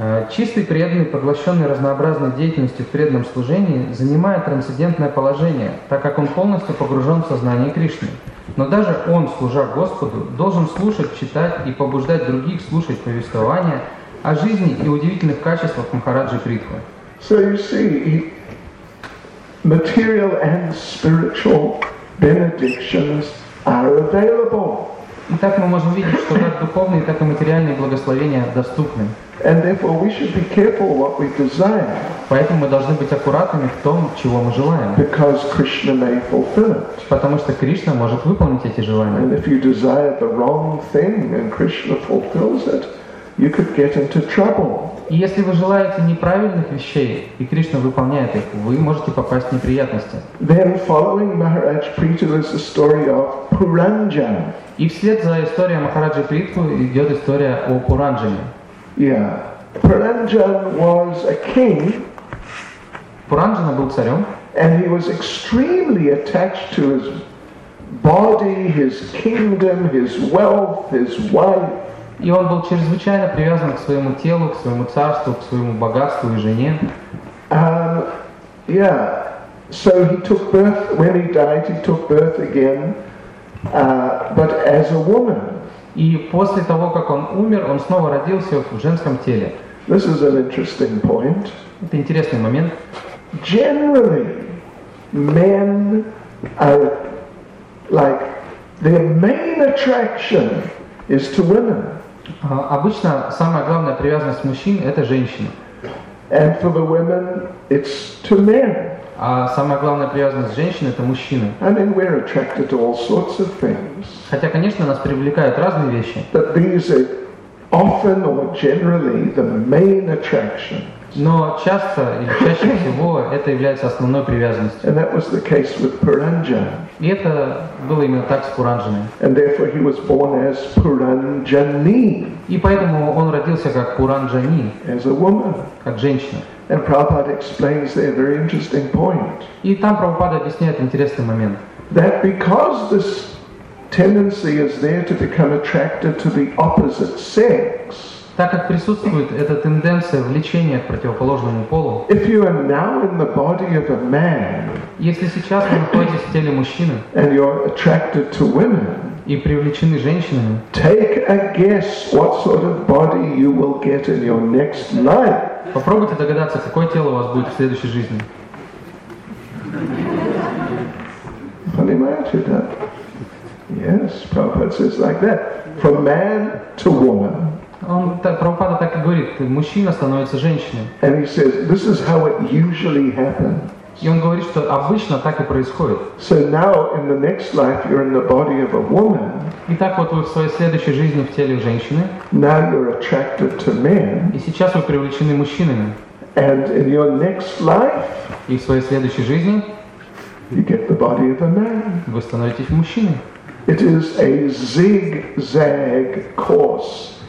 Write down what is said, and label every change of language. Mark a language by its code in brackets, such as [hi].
[ru] Чистый преданный, поглощенный разнообразной деятельностью в преданном служении, занимает трансцендентное положение, так как он полностью погружен в сознание Кришны. Но даже он, служа Господу, должен слушать, читать и побуждать других слушать повествования о жизни и удивительных качествах Махараджи Притхвы. [en] So you see, material and spiritual benedictions are available. [ru] Итак, мы можем видеть, что как духовные, так и материальные благословения доступны. [en] And therefore we should be careful what we desire. [ru] Поэтому мы должны быть аккуратными в том, чего мы желаем. [en] Because Krishna may fulfill it. [ru] Потому что Кришна может выполнить эти желания. [en] And if you desire the wrong thing and Krishna fulfills it, you could get into trouble. [ru] И если вы желаете неправильных вещей, и Кришна выполняет их, вы можете попасть в неприятности. [en] Then following Maharaj Prithu is the story of Puranjan. [ru] И вслед за историей Махараджи Притху идет история о Пуранджане. [en] Yeah. Puranjan was a king. [ru] Пуранджана был царем. [en] And he was extremely attached to his body, his kingdom, his wealth, his wife. [ru] И он был чрезвычайно привязан к своему телу, к своему царству, к своему богатству и жене. [en] Yeah. So he took birth, when he died, he took birth again, but as a woman. [ru] И после того, как он умер, он снова родился в женском теле. [en] This is an interesting point. [ru] Это интересный момент. [en] Generally, men are like their main attraction is to women. [ru] Обычно самая главная привязанность мужчин – это женщина. [en] And for the women, it's to men. [ru] А самая главная привязанность женщин – это мужчины. [en] I mean, we're attracted to all sorts of things. [ru] Хотя, конечно, нас привлекают разные вещи. [en] But these are often or generally the main attractions. [ru] Но часто или чаще всего это является основной привязанностью. [en] And that was the case with Puranjan. [ru] И это было именно так с Пуранджаной. [en] And therefore he was born as Puranjani. [ru] И поэтому он родился как Пуранджани. [en] As a woman. [ru] Как женщина. [en] And Prabhupada explains a very interesting point. [ru] И там Прабхупада объясняет интересный момент. [en] That because this tendency is there to become attracted to the opposite sex. [ru] Так как присутствует эта тенденция влечения к противоположному полу, [en] if you are now in the body of a man, [ru] если сейчас вы находитесь в теле мужчины [en] and you're attracted to women, [ru] и привлечены женщинами, [en] take a guess what sort of body you will get in your next life. [ru] Попробуйте догадаться, какое тело у вас будет в следующей жизни. Понимаете, да? [en] Yes, Prabhupada says like that. From man to woman. [ru] Он так, Прабхупада так и говорит, мужчина становится женщиной. [en] And he says, this is how it usually happens. [ru] И он говорит, что обычно так и происходит. [en] So now in the next life you're in the body of a woman. [ru] Итак, вот вы в своей следующей жизни в теле женщины. [en] Now you're attracted to men. [ru] И сейчас вы привлечены мужчинами. [en] And in your next life. [ru] И в своей следующей жизни. [en] You get the body of a man. [ru] Вы становитесь мужчиной. [en] It is a zigzag course.